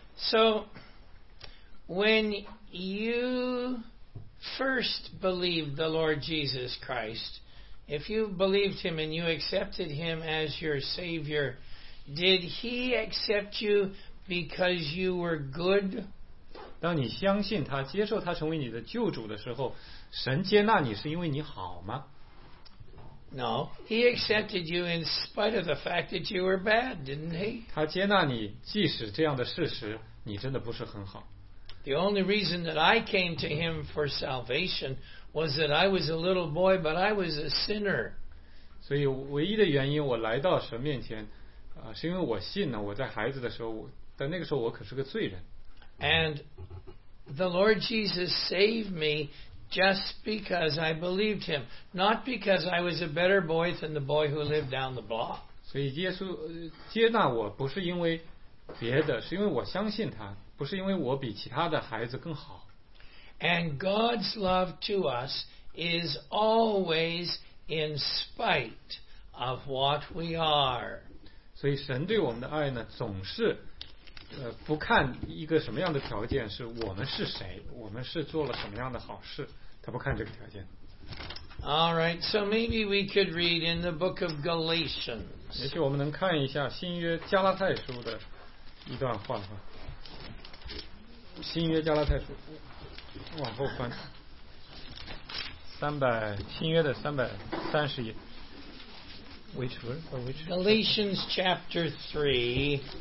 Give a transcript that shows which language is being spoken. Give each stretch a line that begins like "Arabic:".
English: So, when you first believed the Lord Jesus Christ, if you believed him and you accepted him as your Savior, did he accept you because you were good?
Chinese: 当你相信他，接受他成为你的救主的时候，神接纳你是因为你好吗？
English: No, he accepted you in spite of the fact that you were bad, didn't he?
Chinese: 他接纳你，即使这样的事实，你真的不是很好。
English: The only reason that I came to him for salvation was that I was a little boy, but I was a sinner.
Chinese: 所以唯一的原因我来到神面前，是因为我信了，我在孩子的时候，但那个时候我可是个罪人。
English: And the Lord Jesus saved me just because I believed him, not because I was a better boy than the boy who lived down the block.
Chinese: 所以耶稣接纳我不是因为别的，是因为我相信他。不是因为我比其他的孩子更好。
English: And God's love to us is always in spite of what we are.
Chinese: 所以神对我们的爱呢，总是不看一个什么样的条件，是我们是谁，我们是做了什么样的好事，他不看这个条件。
English: All right, so maybe we could read in the book of Galatians.
Chinese: 也许我们能看一下新约加拉太书的一段话哈。新约加拉太书，往后翻，新约的330页 ，
English: which verse? Which? Galatians chapter 3，